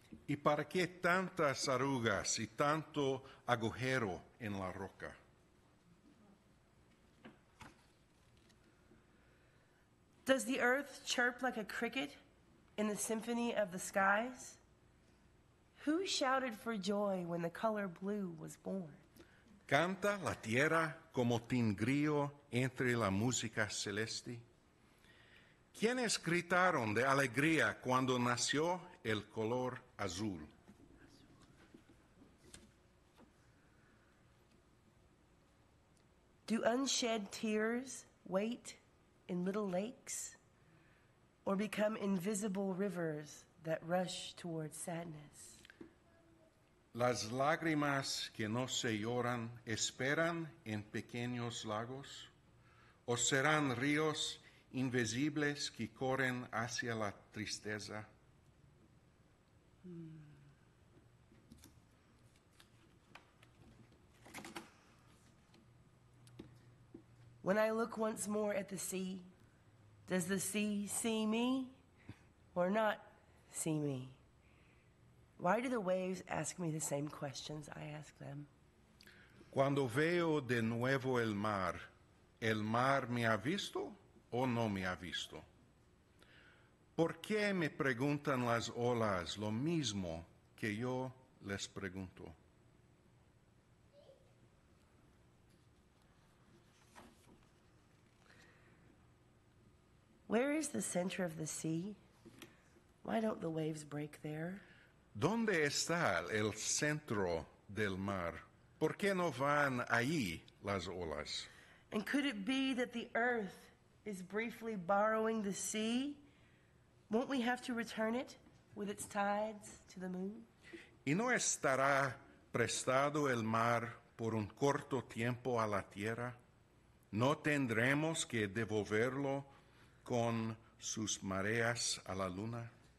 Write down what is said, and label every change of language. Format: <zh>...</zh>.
<es>¿Y para qué tantas arrugas y tanto agujero en la roca?</es> <en>Does the earth chirp like a cricket in the symphony of the skies? Who shouted for joy when the color blue was born?</en> <es>¿Canta la tierra como tigrillo entre la música celeste? ¿Quiénes gritaron de alegría cuando nació el color azul.</es> <en>Do unshed tears wait in little lakes or become invisible rivers that rush toward sadness?</en> <es>Las lágrimas que no se lloran esperan en pequeños lagos o serán ríos invisibles que corren hacia la tristeza.</es> <en>When I look once more at the sea, does the sea see me or not see me? Why do the waves ask me the same questions I ask them?</en> <es>Cuando veo de nuevo el mar me ha visto o no me ha visto? ¿Por qué me preguntan las olas lo mismo que yo les pregunto?</es> <en>Where is the center of the sea? Why don't the waves break there?</en> <es>¿Dónde está el centro del mar? ¿Por qué no van ahí las olas?</es> <en>And could it be that the earth is briefly borrowing the sea? Won't we have to return it with its tides to the moon?</en> <es>¿Y no estará prestado el mar por un corto tiempo a la tierra? ¿No tendremos que devolverlo con sus mareas a la luna?</es>